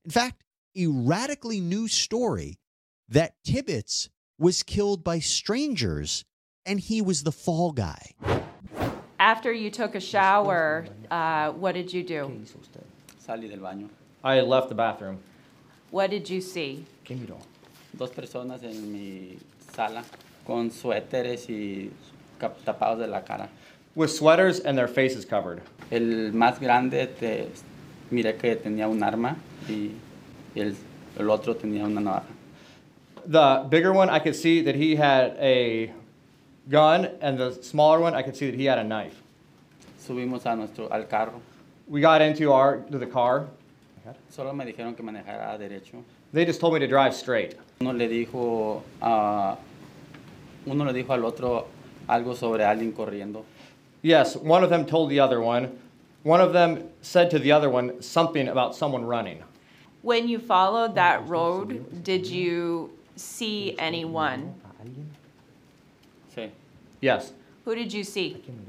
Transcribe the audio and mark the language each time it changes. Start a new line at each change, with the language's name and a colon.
English: In fact, a radically new story that Tibbetts was killed by strangers and he was the fall guy. After you took a shower, what did you do?
Spanish: Salí del baño.
English: I left the bathroom. What did you see?
Spanish: ¿Qué miró? Dos personas en mi sala con suéteres y tapados de la cara.
English: With sweaters and their faces covered.
Spanish: El más grande te miré que tenía un arma y el otro tenía una navaja.
English: The bigger one, I could see that he had a gun, and the smaller one, I could see that he had a knife.
Spanish: Subimos a nuestro al carro.
English: We got into our to the car.
Spanish: Solo me dijeron que manejara derecho.
English: They just told me to drive straight.
Spanish: Uno le dijo al otro algo sobre alguien corriendo.
English: Yes, one of them told the other one. One of them said to the other one something about someone running. When you followed that road, did you see anyone?
Spanish: Sí.
English: Yes. Who did you see?